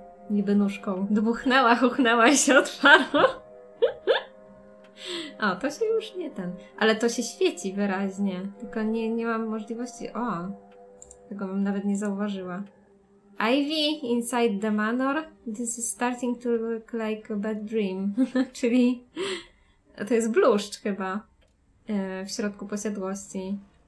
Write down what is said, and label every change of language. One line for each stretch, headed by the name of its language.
Polish: Niby nóżką. Dmuchnęła, huchnęła i się otwarło. O, to się już nie ten. Ale to się świeci wyraźnie. Tylko nie mam możliwości. O, tego bym nawet nie zauważyła.
English: Ivy, inside the manor. This is starting to look like a bad dream.
Polish: Czyli to jest bluszcz chyba w środku posiadłości.